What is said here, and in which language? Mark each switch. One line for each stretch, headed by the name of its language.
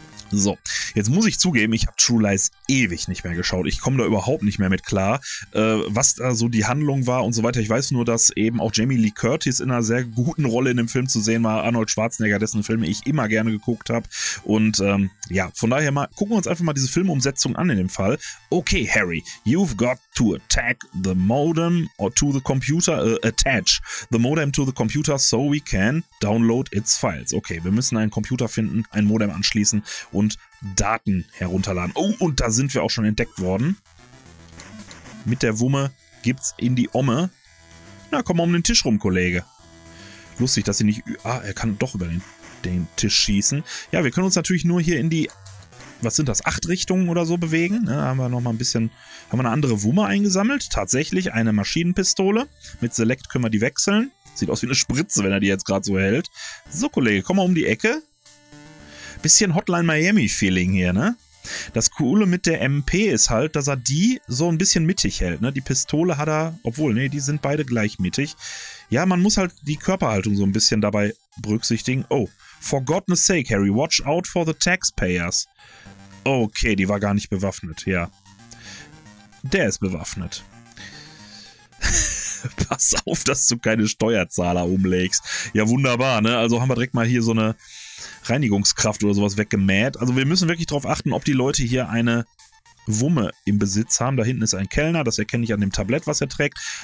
German: So, jetzt muss ich zugeben, ich habe True Lies ewig nicht mehr geschaut. Ich komme da überhaupt nicht mehr mit klar, was da so die Handlung war und so weiter. Ich weiß nur, dass eben auch Jamie Lee Curtis in einer sehr guten Rolle in dem Film zu sehen war. Arnold Schwarzenegger, dessen Filme ich immer gerne geguckt habe. Und ja, von daher mal gucken wir uns einfach mal diese Filmumsetzung an in dem Fall.
English: Okay, Harry, you've got to attack the modem or to the computer, attach the modem to the computer so we can download its files.
German: Okay, wir müssen einen Computer finden, ein Modem anschließen und Daten herunterladen. Oh, und da sind wir auch schon entdeckt worden. Mit der Wumme gibt's in die Omme. Na, komm mal um den Tisch rum, Kollege. Lustig, dass sie nicht... Ah, er kann doch über den Tisch schießen. Ja, wir können uns natürlich nur hier in die... Was sind das? 8 Richtungen oder so bewegen? Ja, haben wir noch mal ein bisschen... Haben wir eine andere Wumme eingesammelt? Tatsächlich eine Maschinenpistole. Mit Select können wir die wechseln. Sieht aus wie eine Spritze, wenn er die jetzt gerade so hält. So, Kollege, komm mal um die Ecke. Bisschen Hotline Miami-Feeling hier, ne? Das Coole mit der MP ist halt, dass er die so ein bisschen mittig hält, ne? Die Pistole hat er, obwohl, ne, die sind beide gleich mittig. Ja, man muss halt die Körperhaltung so ein bisschen dabei berücksichtigen.
English: Oh, for goodness sake, Harry, watch out for the taxpayers.
German: Okay, die war gar nicht bewaffnet, ja. Der ist bewaffnet. Pass auf, dass du keine Steuerzahler umlegst. Ja, wunderbar, ne? Also haben wir direkt mal hier so eine Reinigungskraft oder sowas weggemäht. Also wir müssen wirklich darauf achten, ob die Leute hier eine Wumme im Besitz haben. Da hinten ist ein Kellner, das erkenne ich an dem Tablett, was er trägt.